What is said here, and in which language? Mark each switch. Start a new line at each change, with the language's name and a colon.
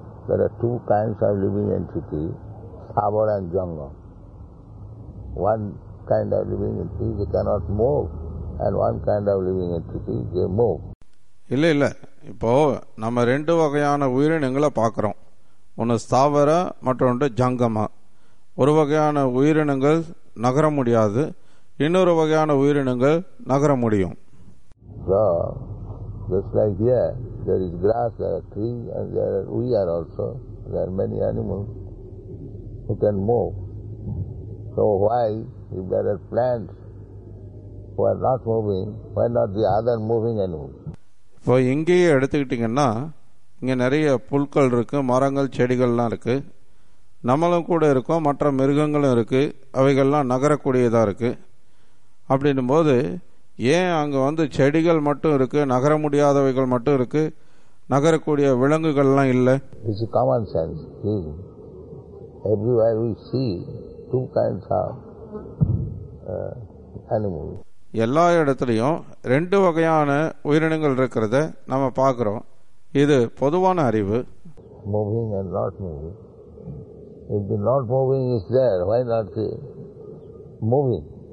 English: There are two kinds of living entity, sthavara and jangam. One kind of living entity, they cannot move. And one kind of living entity, they move.
Tamil: இல்லை இல்லை, இப்போ நம்ம ரெண்டு வகையான உயிரினங்களை பார்க்குறோம். ஒன்று ஸ்தாவர, மற்றொன்று ஜங்கமா. ஒரு வகையான உயிரினங்கள் நகர முடியாது, இன்னொரு வகையான உயிரினங்கள் நகர முடியும்.
English: So, just like here, there is grass, there are trees, and there are, we are also, there are many animals who can move. So why, if there are plants who are not moving, why not the other moving animals?
Tamil: இப்போ இங்கேயே எடுத்துக்கிட்டீங்கன்னா, இங்கே நிறைய புல்கள் இருக்கு, மரங்கள் செடிகள்லாம் இருக்கு, நம்மளும் கூட இருக்கோம், மற்ற மிருகங்களும் இருக்கு, அவைகள்லாம் நகரக்கூடியதா இருக்கு. அப்படின் போது ஏன் அங்கே வந்து செடிகள் மட்டும் இருக்கு, நகர முடியாதவைகள் மட்டும் இருக்கு, நகரக்கூடிய விலங்குகள்லாம் இல்லை?
English: It's a common sense thing. Everywhere we see two kinds of animals.
Tamil: எல்லா இடத்துலையும் ரெண்டு வகையான உயிரினங்கள் இருக்கிறத நம்ம பார்க்குறோம். இது பொதுவான அறிவு.
English: Moving and not moving. If the not moving is there, why not the moving?